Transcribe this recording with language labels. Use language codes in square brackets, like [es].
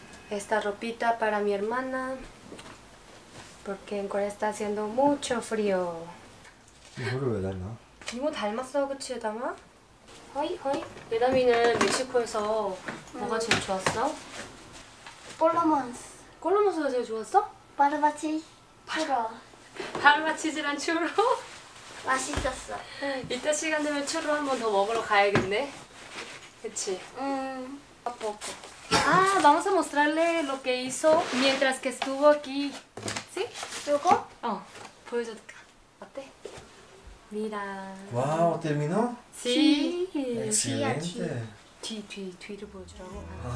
[es] Esta ropita para mi hermana. Porque en Corea está haciendo mucho frío. [ko] 이거를 왜 달나? 이모 닮았어, 그치, 예담아? 허이, 허이. 예담이는 멕시코에서 뭐가 제일 좋았어? 콜로마스. 콜로마스가 제일 좋았어? 바르바치. 추로. 바르바치즈랑 추로? 맛있었어. 이따 시간 되면 추로 한번 더 먹으러 가야겠네. 그치? 아프고. 아, [es] vamos a mostrarle lo que hizo mientras que estuvo aquí. ¿Sí? [ko] 요거? 어. 보여줄까? 어때? 미라. [es] 와우, terminó? Sí. Excelente. [ko] 뒤를 보여주라고.